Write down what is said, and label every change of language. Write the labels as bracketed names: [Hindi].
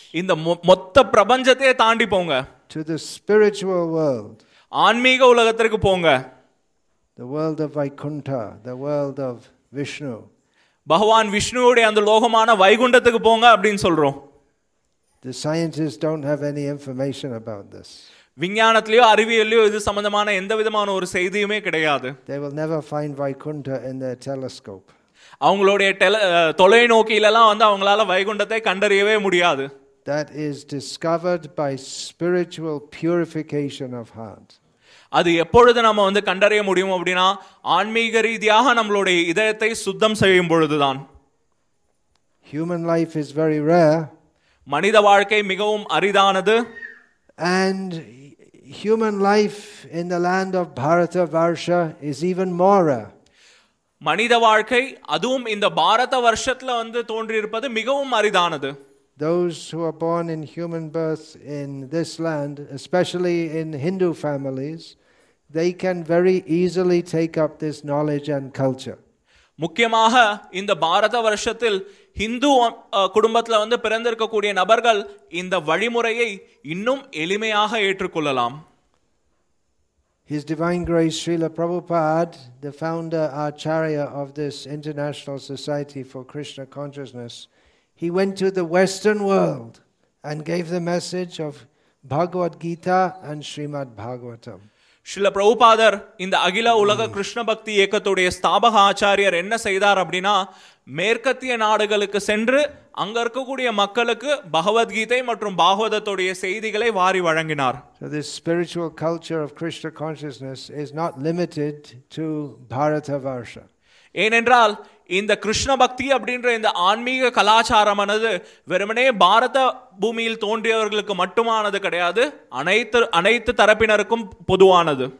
[Tamil] இந்த மொத்த பிரபஞ்சத்தையே தாண்டி போங்க. [English] To the spiritual world. [Tamil] ஆன்மீக உலகத்திற்கு போங்க. [English] The world of Vaikuntha, the world of Vishnu. [Tamil] பகவான் விஷ்ணுவோட அந்த லோகமான வைகுண்டத்துக்கு போங்க அப்படினு சொல்றோம். [English] The scientists don't have any information about this. [Tamil] விஞ்ஞானத்திலயோ அறிவியலையோ இது சம்பந்தமான எந்த விதமான ஒரு செய்தியுமே கிடையாது. [English] They will never find Vaikuntha in their telescope. [Tamil] அவங்களோட தொலைநோக்கியிலலாம் வந்து அவங்களால வைகுண்டத்தை கண்டறியவே முடியாது. [English] That is discovered by spiritual purification of heart. [Tamil] அது எப்பொழுது நாம வந்து கண்டறிய முடியும் அப்படினா, ஆன்மீக ரீதியாக நம்மளுடைய இதயத்தை சுத்தம் செய்யும் பொழுதுதான். [English] Human life is very rare. [Tamil] மனித வாழ்க்கை மிகவும் அரிதானது. [English] And human life in the land of Bharata Varsha is even more rare. [Tamil] மனித வாழ்க்கை அதுவும் இந்த பாரத வருஷத்துல வந்து தோன்றி இருப்பது மிகவும் அரிதானது. [English] Those who are born in human birth in this land, especially in Hindu families, they can very easily take up this knowledge and culture. [Tamil] முக்கியமாக இந்த பாரத வருஷத்தில் இந்து குடும்பத்தில் வந்து பிறந்திருக்கக்கூடிய நபர்கள் இந்த வழிமுறையை இன்னும் எளிமையாக ஏற்றுக்கொள்ளலாம். [English] His Divine Grace Srila Prabhupada, the founder Acharya of this International Society for Krishna Consciousness, He went to the Western world and gave the message of Bhagavad Gita and Srimad Bhagavatam. [Tamil] Srila Prabhupada, இந்த அகில உலக கிருஷ்ண பக்தி ஏகத்தோடைய ஸ்தாபக ஆச்சாரியர் என்ன செய்தார் அப்படினா, மேற்கத்திய நாடுகளுக்கு சென்று அங்க இருக்கக்கூடிய மக்களுக்கு பகவத் கீதை மற்றும் பாகவதத்தோடைய செய்திகளை வாரி வழங்கினார். [English] So this spiritual culture of Krishna consciousness is not limited to Bharata Varsha. [Tamil] ஏனென்றால் இந்த கிருஷ்ண பக்தி அப்படின்ற இந்த ஆன்மீக கலாச்சாரமானது வெறுமனே பாரத பூமியில் தோன்றியவர்களுக்கு மட்டுமானது கிடையாது, அனைத்து தரப்பினருக்கும் பொதுவானது.